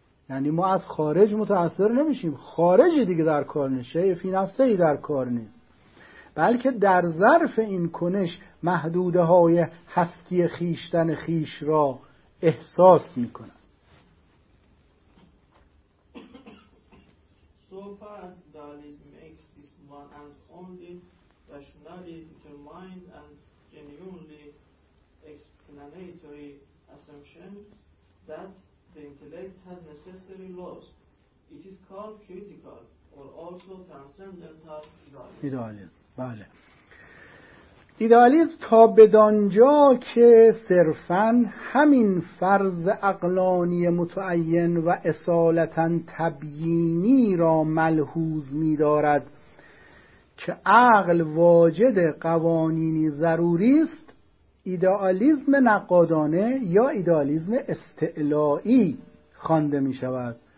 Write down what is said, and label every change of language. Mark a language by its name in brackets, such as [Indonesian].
[Persian] یعنی ما از خارج متأثر نمیشیم، خارجی دیگه در کار نیست، شیء فی نفسه‌ای در کار نیست، بلکه در ظرف این کنش محدوده های هستی خیشتن خیش را احساس می کند. [English] So far as that is made this one and only rationally determined and genuinely explanatory assumption that the intellect has necessary laws, it is called critical or also transcendental idealism. [Persian] بله. ایدئالیسم تا بدانجا که صرفاً همین فرض عقلانی متعین و اصالتاً تبیینی را ملحوظ می‌دارد که عقل واجد قوانینی ضروری است، ایدئالیسم نقادانه یا ایدئالیسم استعلایی خوانده می‌شود.